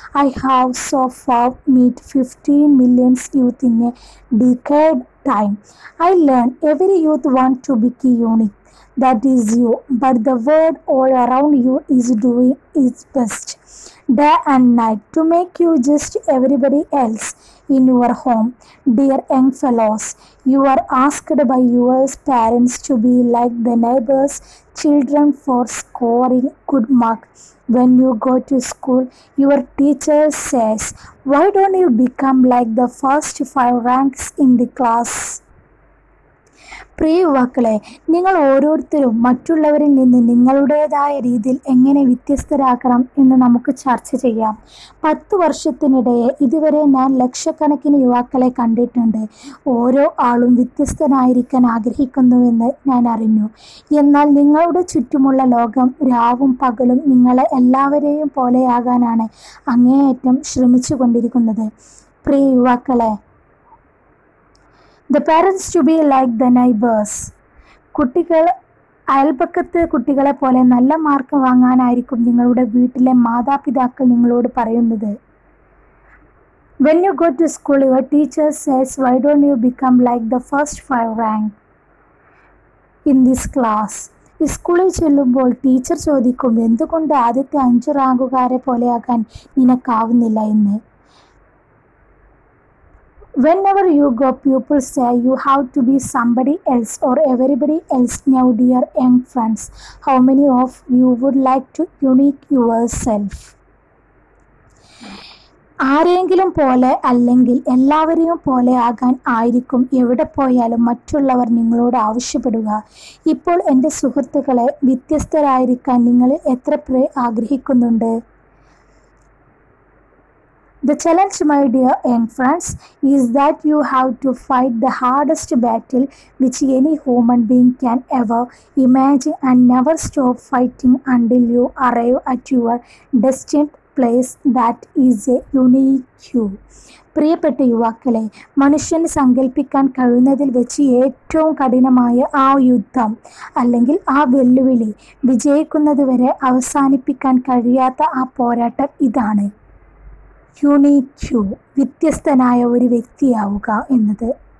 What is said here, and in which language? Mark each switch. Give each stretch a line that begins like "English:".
English: I have so far meet 15 millions youth in a decade time. I learn every youth want to be unique. That is you, but the world all around you is doing its best day and night to make you just everybody else in your home. Dear young fellows, you are asked by your parents to be like the neighbors' children for scoring good mark. When you go to school, your teacher says, why don't you become like the first 5 ranks in the class?
Malayalam: പ്രിയ യുവാക്കളെ, നിങ്ങൾ ഓരോരുത്തരും മറ്റുള്ളവരിൽ നിന്ന് നിങ്ങളുടേതായ രീതിയിൽ എങ്ങനെ വ്യത്യസ്തരാക്കണം എന്ന് നമുക്ക് ചർച്ച ചെയ്യാം. 10 വർഷത്തിനിടയിൽ ഇതുവരെ ഞാൻ ലക്ഷക്കണക്കിന് യുവാക്കളെ കണ്ടിട്ടുണ്ട്. ഓരോ ആളും വ്യത്യസ്തനായിരിക്കാൻ ആഗ്രഹിക്കുന്നുവെന്ന് ഞാൻ അറിഞ്ഞു. എന്നാൽ നിങ്ങളുടെ ചുറ്റുമുള്ള ലോകം രാവും പകലും നിങ്ങളെ എല്ലാവരെയും പോലെയാകാനാണ് അങ്ങേയറ്റം ശ്രമിച്ചു കൊണ്ടിരിക്കുന്നത്. പ്രിയ യുവാക്കളെ,
English: The parents to be like the neighbours.
Malayalam: കുട്ടികൾ അയൽപ്പക്കത്ത് കുട്ടികളെ പോലെ നല്ല മാർക്ക് വാങ്ങാനായിരിക്കും നിങ്ങളുടെ വീട്ടിലെ മാതാപിതാക്കൾ നിങ്ങളോട് പറയുന്നത്.
English: When you go to school your teacher says why don't you become like the first 5 rank in this class.
Malayalam: സ്കൂളിൽ ചെല്ലുമ്പോൾ ടീച്ചർ ചോദിക്കും, എന്തുകൊണ്ട് ആദ്യത്തെ 5 റാങ്കുകാരെ പോലെയാകാൻ നിനക്കാവുന്നില്ല എന്ന്.
English: Whenever you go, people say you have to be somebody else or everybody else now, dear young friends. How many of you would like to unique yourself?
Malayalam: ആരെങ്കിലും പോലെ അല്ലെങ്കിൽ എല്ലാവരെയും പോലെ ആകാൻ ആയിരിക്കും എവിടെ പോയാലും മറ്റുള്ളവർ നിങ്ങളോട് ആവശ്യപ്പെടുക. ഇപ്പോൾ എൻ്റെ സുഹൃത്തുക്കളെ വ്യത്യസ്തരായിരിക്കാൻ നിങ്ങൾ എത്ര പേർ ആഗ്രഹിക്കുന്നുണ്ട്?
English: The challenge, my dear young friends, is that you have to fight the hardest battle which any human being can ever imagine and never stop fighting until you arrive at your destined place that is a unique you.
Malayalam: പ്രിയപ്പെട്ട യുവാക്കളെ, മനുഷ്യൻ സങ്കല്പിക്കാൻ കഴിയുന്നതിൽ വെച്ച് ഏറ്റവും കഠിനമായ ആ യുദ്ധം അല്ലെങ്കിൽ ആ വെല്ലുവിളി വിജയിക്കുന്നതുവരെ അവസാനിപ്പിക്കാൻ കഴിയാത്ത ആ പോരാട്ടം ഇതാണ്. യുണീക്യൂ, വ്യത്യസ്തനായ ഒരു വ്യക്തിയാവുക എന്നത്.